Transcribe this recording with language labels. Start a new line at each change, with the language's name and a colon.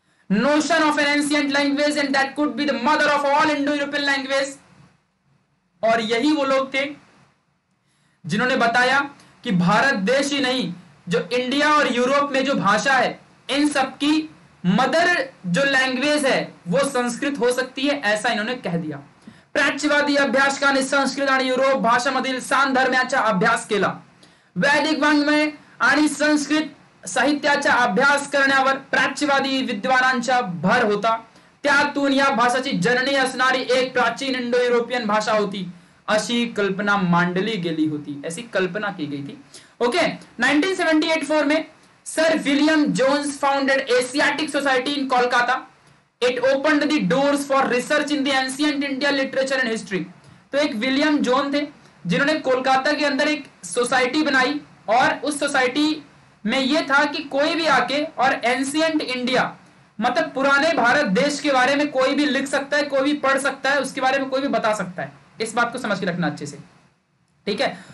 English: notion of an ancient language and that could be the mother of all Indo European language,
Hindi: और यही वो लोग थे जिन्होंने बताया कि भारत देश ही नहीं जो इंडिया और यूरोप में जो भाषा है इन सबकी मदर जो लैंग्वेज है वो संस्कृत हो सकती है, ऐसा इन्होंने कह दिया।
Marathi: प्राच्यवादी अभ्यास का संस्कृत आणि युरोप भाषा मधील सांधर्म्याचा अभ्यास केला, वैदिक वाङ्मय आणि संस्कृत साहित्याचा अभ्यास करण्यावर प्राच्यवादी विद्वानांचा भर होता, त्यातून या भाषेची जननी असणारी एक प्राचीन इंडो युरोपियन भाषा होती अशी कल्पना मांडली गेली होती,
Hindi: ऐसी कल्पना की गई थी।
English: Okay 1978-4 में sir William Jones founded Asiatic Society in Kolkata, it opened the doors for research in the ancient Indian literature and history.
Hindi: तो एक विलियम जोन थे जिन्होंने कोलकाता के अंदर एक सोसाइटी बनाई और उस सोसाइटी में यह था कि कोई भी आके और एंशिएंट इंडिया मतलब पुराने भारत देश के बारे में कोई भी लिख सकता है, कोई भी पढ़ सकता है, उसके बारे में कोई भी बता सकता है, इस बात को समझ के रखना अच्छे से, ठीक है।